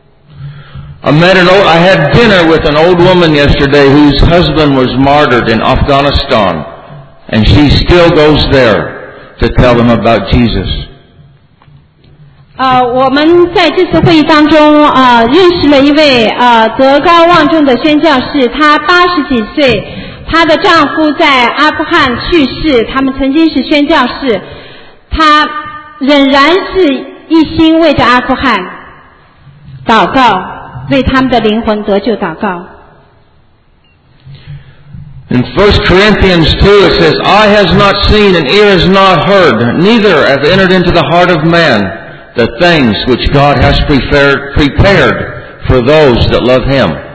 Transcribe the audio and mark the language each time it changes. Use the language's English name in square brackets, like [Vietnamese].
[English] I had dinner with an old woman yesterday whose husband was martyred in Afghanistan, and she still goes there to tell them about Jesus. [Chinese] 我们在这次会议当中认识了一位德高望重的宣教士，他80几岁。她的丈夫在阿富汗去世，他们曾经是宣教士，她仍然是一心为着阿富汗祷告，为他们的灵魂得救祷告。 [English] In 1 Corinthians 2 it says, Eye has not seen and ear has not heard, neither have entered into the heart of man the things which God has prepared for those that love him.